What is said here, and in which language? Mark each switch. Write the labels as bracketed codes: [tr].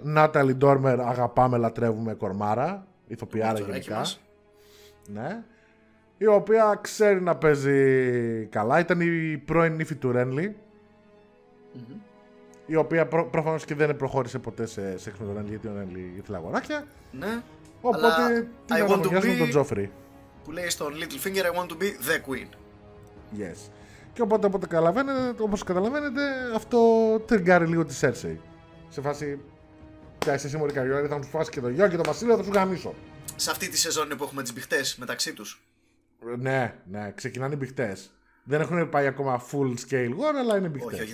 [el] Νάταλι Ντόρμερ, αγαπάμε, λατρεύουμε, κορμάρα. Ηθοποιάρα γενικά. Ναι. Η οποία ξέρει να παίζει καλά. Ήταν η πρώην νύφη του Ρένλι. Η οποία προφανώς και δεν προχώρησε ποτέ σε σεξ με τον Ρένλι, γιατί ο Ρένλι ήθελε αγοράκια. Ναι. Οπότε την αγωνιάζουμε τον Τζόφρι. Που λέει στον [en] Littlefinger, I want to be the queen. Yes. [el] Και οπότε, όπως καταλαβαίνετε, αυτό τριγκάρει λίγο τη Σέρσεϊ. Σε φάση, πια είσαι σίγουρη καριόλα, θα μου σου φάσει και το γιο και το βασίλειο, θα σου γαμίσω. Σε αυτή τη σεζόν είναι που έχουμε τις μπηχτές μεταξύ τους. Ναι, ναι, ξεκινάνε οι μπηχτές. Δεν έχουν πάει ακόμα [en] full scale war, [el] αλλά είναι μπηχτές.